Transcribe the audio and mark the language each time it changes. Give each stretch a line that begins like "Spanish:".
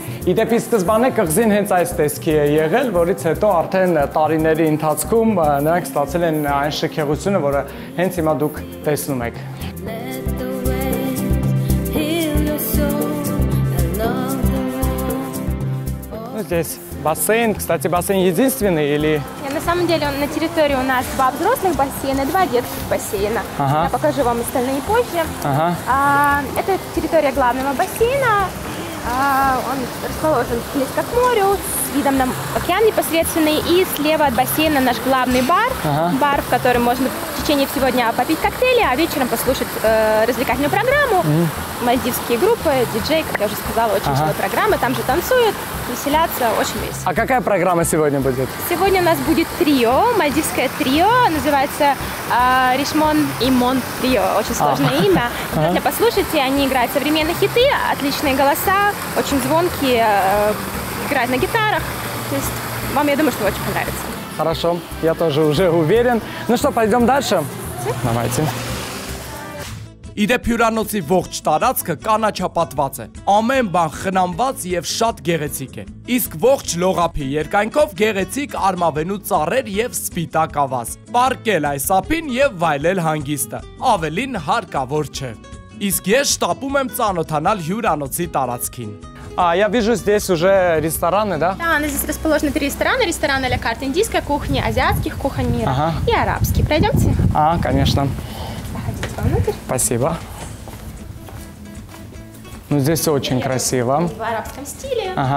Armenian: Իդեպ, իսկ սկզբանե կղզին հենց այս տեսքի է եղել, որից հետո արդեն տարիների ընթացքում նրանք ստացել են այն շքեղությունը, որը հենց հիմա դուք տեսնում եք։ Ուզես բասեն,
Russian: кстати, բասեն единственный или… На самом деле на территории у нас два взрослых бассейна, два детских бассейна. Ага. Я покажу вам остальные позже. Ага. Это территория главного бассейна. Он расположен близко к морю, с видом на океан непосредственный. И слева от бассейна наш главный бар. Ага. Бар, в котором можно в течение всего дня попить коктейли, а вечером послушать развлекательную программу. Мальдивские группы, диджей, как я уже сказала, очень живая программа. Там же танцуют, веселятся, очень весело. А какая программа сегодня будет? Сегодня у нас будет трио, мальдивское трио. Называется Ришмон и Мон Трио. Очень сложное имя. Если послушайте, они играют современные хиты, отличные голоса. Очень звонкие, играют на гитарах. То есть вам, я думаю, что очень понравится. Хорошо, я тоже уже уверен. Ну что, пойдем дальше? Давайте.
Armenian: Իդեպ հյուրանոցի ողջ տարածքը կանաչապատված է, ամեն բան խնամված և շատ գեղեցիկ է, իսկ ողջ լողափի երկայնքով գեղեցիկ արմավենու ծառեր և սպիտակ ավազ, պարկել այս ափին և վայելել հանգիստը, ավելին հարկավոր չէ, իսկ ես շտապում եմ ծանոթանալ հյուրանոցի տարածքին.
Russian: А, я вижу здесь уже рестораны, да? Да, здесь расположены три ресторана. Ресторан «Ля Карт» индийской кухни, азиатских кухонь мира и арабский. Пройдемте? А, конечно. Заходите вовнутрь. Спасибо. Ну, здесь очень красиво. В арабском стиле.